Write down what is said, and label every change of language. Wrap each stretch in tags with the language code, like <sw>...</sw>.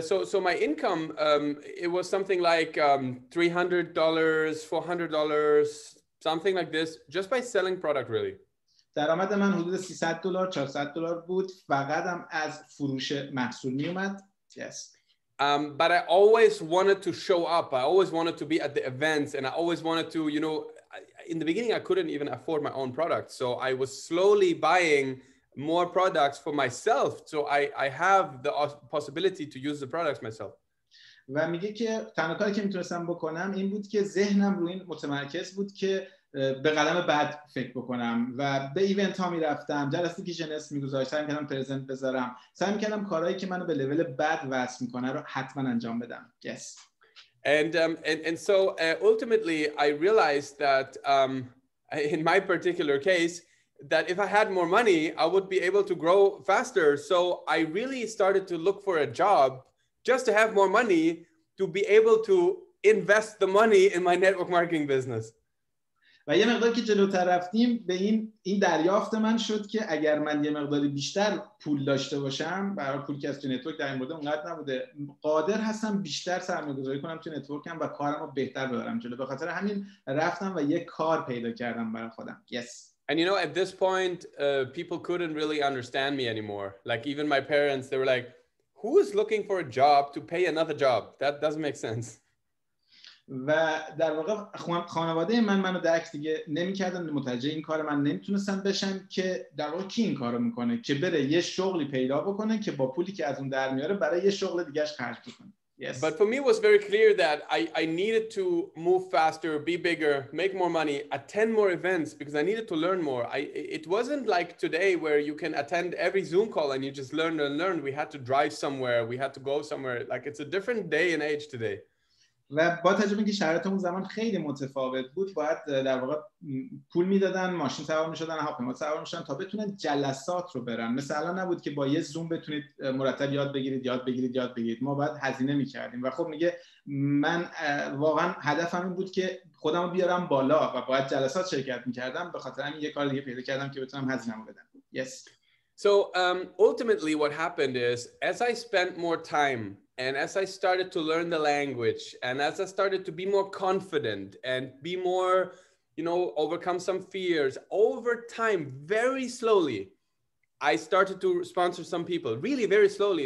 <en>So my income, it was something like $300, $400, something like this, just by selling product, really.</en> <fa>درآمد من حدود $300, $400 بود، فقطم از فروش محصول میومد.</fa> <en>Yes. But I always wanted to show up. I always wanted to be at the events, and I always wanted to, you know, in the beginning, I couldn't even afford my own product. So I was slowly buying more products for myself, so I have the possibility to use the products myself.</en> <fa>و میگه که تنها کاری که میتونستم بکنم این بود که ذهنم رو این متمرکز بود که به قدم بعد فکر بکنم و به ایونت ها میرفتم، جلسه که جنس میگذاشتم، سعی میکردم پرزنت بذارم، سعی میکردم کارهایی که منو به لول بعد وصل میکنه رو حتما انجام بدم.</fa> <en>Yes. And so ultimately I realized that in my particular case that if I had more money, I would be able to grow faster. So I really started to look for a job just to have more money to be able to invest the money in my network marketing business.</en> <fa>و یه مقدار که جلوتر رفتیم به این دریافت من شد که اگر من یه مقداری بیشتر پول داشته باشم، برای پول که از توی نتورک در این مورد اونقدر نبوده، قادر هستم بیشتر سرمایه‌گذاری کنم توی نتورکم و کارم رو بهتر ببرم جلو. به خاطر همین رفتم و یه کار پیدا کردم برای خودم.</fa> <en>Yes. And you know, at this point, people couldn't really understand me anymore. Like even my parents, they were like, who is looking for a job to pay another job? That doesn't make sense.</en> <fa>و در واقع خانواده منو درک دیگه نمی‌کردن، متوجه این کار من نمیتونستن بشن که در واقع کی این کارو میکنه که بره یه شغلی پیدا بکنه که با پولی که از اون در میاره برای یه شغل دیگه‌اش خرج بکنه.</fa> <en>Yes. But for me it was very clear that I needed to move faster, be bigger, make more money, attend more events because I needed to learn more. It wasn't like today where you can attend every Zoom call and you just learn and learn. We had to drive somewhere, we had to go somewhere. Like it's a different day and age today.</en> <fa>و با تجربه اینکه شرایط اون زمان خیلی متفاوت بود، باید در واقع پول میدادن، ماشین سوار میشدن، هواپیما سوار میشدن تا بتونن جلسات رو برن. مثلا نبود که با یه زوم بتونید مرتب یاد بگیرید. ما باید هزینه میکردیم. و خب میگه من واقعا هدفم این بود که خودم رو بیارم بالا و باید جلسات شرکت میکردم. به خاطر همین یه کار دیگه پیدا کردم که بتونم هزینه رو بدم.</fa> <en>Yes. So ultimately what happened is, as I spent more time and as I started to learn the language and as I started to be more confident and be more, you know, overcome some fears over time, very slowly, I started to sponsor some people really very slowly.</en>